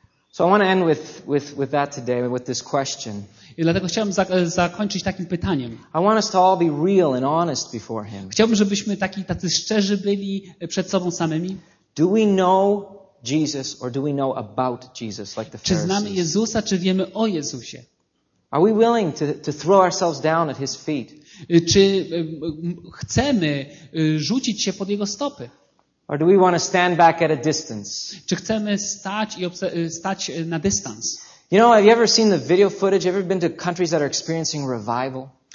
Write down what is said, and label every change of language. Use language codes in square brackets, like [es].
[en] So I want to end with that today, with this question. [pl] I dlatego chciałbym zakończyć takim pytaniem. [en] I want us to all be real and honest before him. [pl] Chciałbym, żebyśmy tacy szczerzy byli przed sobą samymi. [en] Do we know Jesus or do we know about Jesus like the Pharisees? [pl] Czy znamy Jezusa, czy wiemy o Jezusie? [en] Are we willing to throw ourselves down at his feet? [pl] Czy chcemy rzucić się pod jego stopy? [en] Or do we want to stand back at a distance? [pl] Czy chcemy stać i stać na dystans? [en] You know, have you ever seen the video footage? Ever been to countries that are experiencing revival?